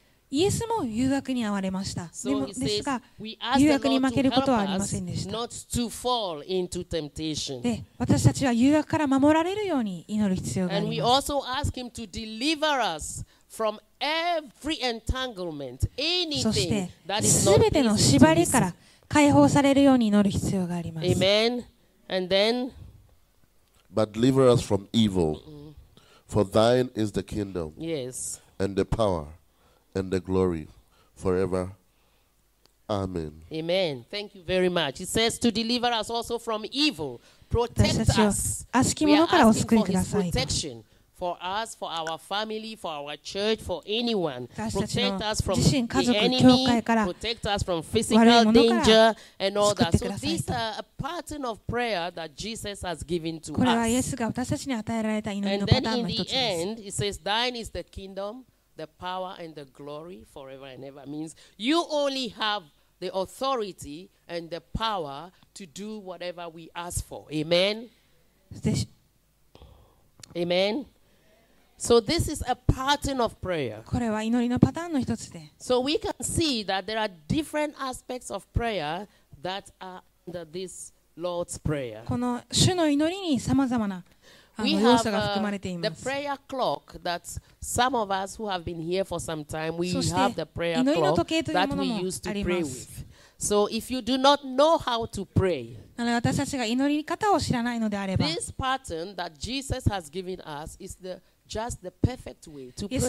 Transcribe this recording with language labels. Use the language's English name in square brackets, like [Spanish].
[Japanese] イエスも誘惑に遭われました。ですが、誘惑に負けることはありませんでした。 [English] Not to fall into temptation. [Japanese] で、私たちは誘惑から守られるように祈る必要があります。 [English] And we also ask him to deliver us from every entanglement, anything that is not peace. [Japanese] そして、全ての縛りから解放されるように祈る必要があります。 [English] Amen. And then, but deliver us from evil, for thine is the kingdom, yes, and the power, and the glory, forever. Amen. Amen. Thank you very much. It says to deliver us also from evil, protect us. We are asking for his protection for us, for our family, for our church, for anyone. Protect us from the enemy. Protect us from physical danger and all that. So this is a pattern of prayer that Jesus has given to us. And then in the end, it says, "Thine is the kingdom, the power, and the glory forever and ever." Means you only have the authority and the power to do whatever we ask for. Amen. Amen. So this is a pattern of prayer. [Japanese] これは祈りのパターンの一つで。 [English] So we can see that there are different aspects of prayer that are under this Lord's prayer. [Japanese] この主の祈りに様々な要素が含まれています。 [English] We have the prayer clock that some of us who have been here for some time, we have the prayer clock that we used to pray with. So if you do not know how to pray, [Japanese] なので私たちが祈り方を知らないのであれば、 [English] this pattern that Jesus has given us is the just the perfect way to pray.